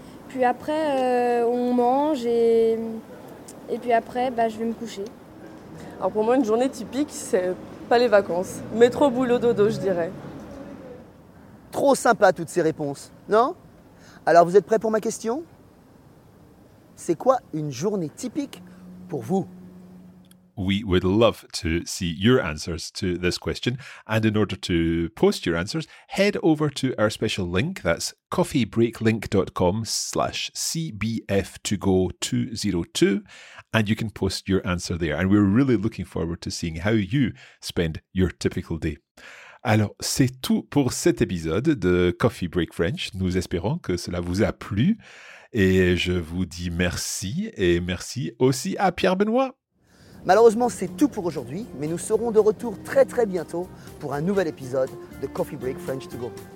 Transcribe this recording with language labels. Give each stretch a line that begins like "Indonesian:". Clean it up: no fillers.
French: Puis après, on mange et puis après, je vais me coucher. Alors pour moi, une journée typique, c'est pas les vacances. Métro, boulot, dodo, je dirais. Trop sympa toutes ces réponses, non? Alors vous êtes prêts pour ma question? C'est quoi une journée typique pour vous?
English: We would love to see your answers to this question. And in order to post your answers, head over to our special link. That's coffeebreaklink.com/CBF2Go202. And you can post your answer there. And we're really looking forward to seeing how you spend your typical day.
French: Alors, c'est tout pour cet épisode de Coffee Break French. Nous espérons que cela vous a plu. Et je vous dis merci. Et merci aussi à Pierre Benoît. Malheureusement, c'est tout pour aujourd'hui, mais nous serons de retour très très bientôt pour un nouvel épisode de Coffee Break French to Go.